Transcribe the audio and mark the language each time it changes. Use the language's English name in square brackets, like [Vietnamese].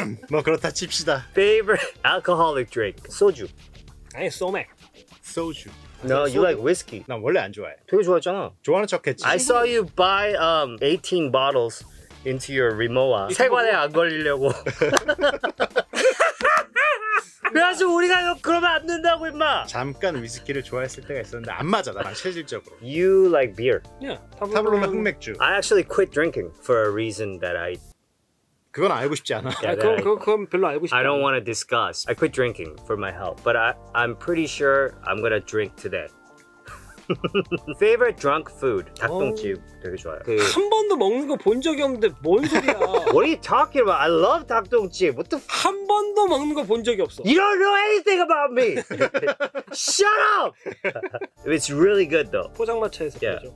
[Korean] 뭐 그렇다 칩시다. [English] Favorite alcoholic drink. 소주. [Korean] 아니 소맥. 소주. [English] No, you 소주. Like whiskey. [Korean] 난 원래 안 좋아해. 되게 좋아했잖아. 좋아하는 척했지. [English] I saw you buy 18 bottles into your Rimowa. [Korean] 세관에 안 걸리려고. 그래서 우리가 그러면 안 된다고 임마. 잠깐 위스키를 좋아했을 때가 있었는데 안 맞아 나랑 체질적으로. [English] You like beer. Yeah. [Korean] 타블로는 흑맥주. [English] I actually quit drinking for a reason that I [Korean] 그건 알고 싶지 않아. Yeah, 그건 별로 알고 싶지 않아. [English] I don't want to discuss. I quit drinking for my health. But I'm pretty sure I'm going to drink today. Favorite drunk food? [Korean] 닭똥집 되게 좋아요. 그... 한 번도 먹는 거 본 적이 없는데 뭔 소리야. [English] What are you talking about? I love 닭똥집. What the fuck? [Korean] 한 번도 먹는 거 본 적이 없어. [English] You don't know anything about me! Shut up! It's really good though. [Korean] 포장마차에서 yeah. 보죠.